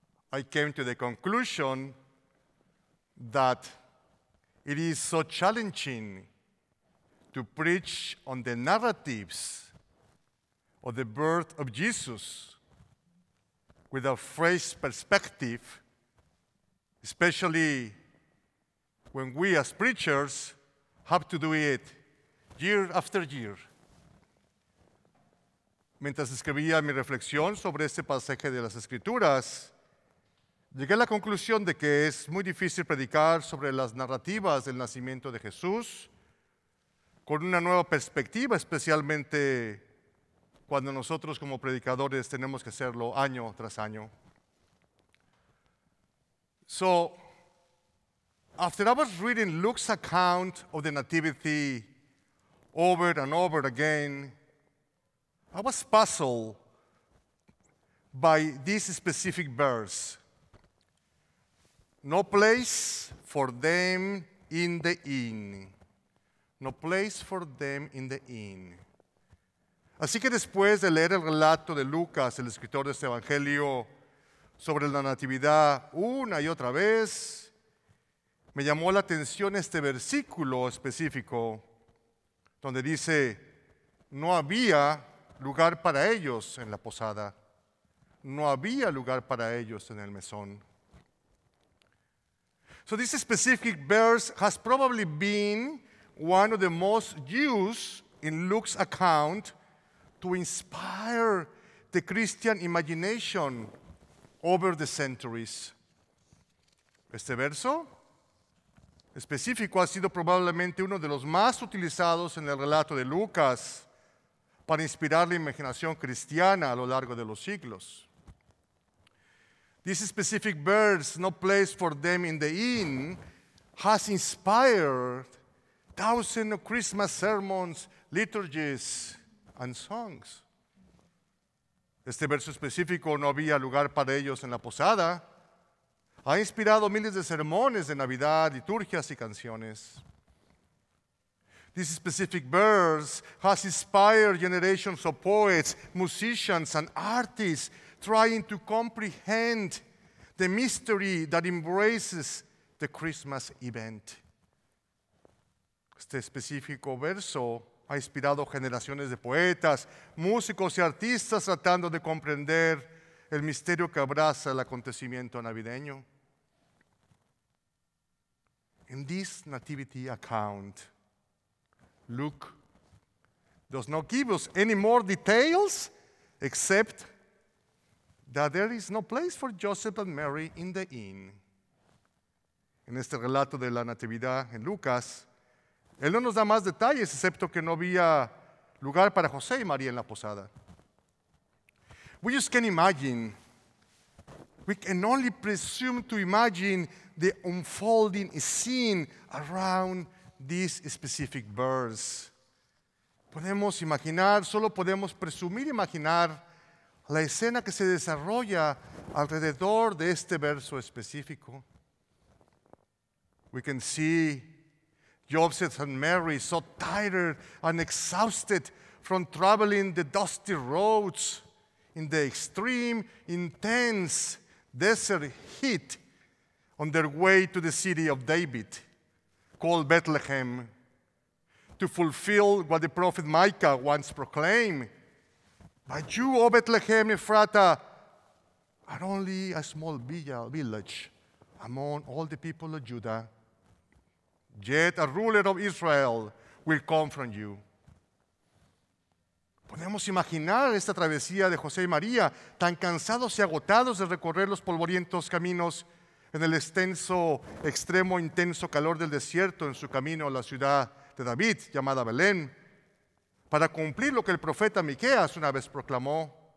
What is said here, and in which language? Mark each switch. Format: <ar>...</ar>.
<en>I came to the conclusion that it is so challenging to preach on the narratives of the birth of Jesus with a fresh perspective, especially when we as preachers have to do it year after year.</en> <es>Mientras escribía mi reflexión sobre este pasaje de las Escrituras, llegué a la conclusión de que es muy difícil predicar sobre las narrativas del nacimiento de Jesús con una nueva perspectiva, especialmente cuando nosotros como predicadores tenemos que hacerlo año tras año.</es> <en>So, after I was reading Luke's account of the Nativity over and over again, I was puzzled by this specific verse. No place for them in the inn. No place for them in the inn.</en> <es>Así que después de leer el relato de Lucas, el escritor de este evangelio, sobre la natividad una y otra vez, me llamó la atención este versículo específico, donde dice, no había lugar para ellos en la posada. No había lugar para ellos en el mesón.</es> <en>So this specific verse has probably been one of the most used in Luke's account to inspire the Christian imagination over the centuries.</en> <es>Este verso específico ha sido probablemente uno de los más utilizados en el relato de Lucas para inspirar la imaginación cristiana a lo largo de los siglos.</es> <en>This specific verse, no place for them in the inn, has inspired thousands of Christmas sermons, liturgies, and songs.</en> <es>Este verso específico, no había lugar para ellos en la posada, ha inspirado miles de sermones de Navidad, liturgias y canciones.</es> <en>This specific verse has inspired generations of poets, musicians, and artists trying to comprehend the mystery that embraces the Christmas event.</en> <es>Este específico verso ha inspirado generaciones de poetas, músicos y artistas tratando de comprender el misterio que abraza el acontecimiento navideño.</es> <en>In this nativity account, Luke does not give us any more details except that there is no place for Joseph and Mary in the inn.</en> <es>En este relato de la natividad en Lucas, él no nos da más detalles excepto que no había lugar para José y María en la posada.</es> <en>We just can imagine, we can only presume to imagine the unfolding scene around this specific verse.</en> <es>Podemos imaginar, solo podemos presumir imaginar la escena que se desarrolla alrededor de este verso específico.</es> <en>We can see Joseph and Mary so tired and exhausted from traveling the dusty roads in the extreme, intense desert heat on their way to the city of David, called Bethlehem, to fulfill what the prophet Micah once proclaimed. But you, O Bethlehem Ephratah, are only a small village among all the people of Judah. Yet a ruler of Israel will come from you.</en> <es>Podemos imaginar esta travesía de José y María, tan cansados y agotados de recorrer los polvorientos caminos en el extenso, extremo, intenso calor del desierto en su camino a la ciudad de David, llamada Belén, para cumplir lo que el profeta Miqueas una vez proclamó.</es>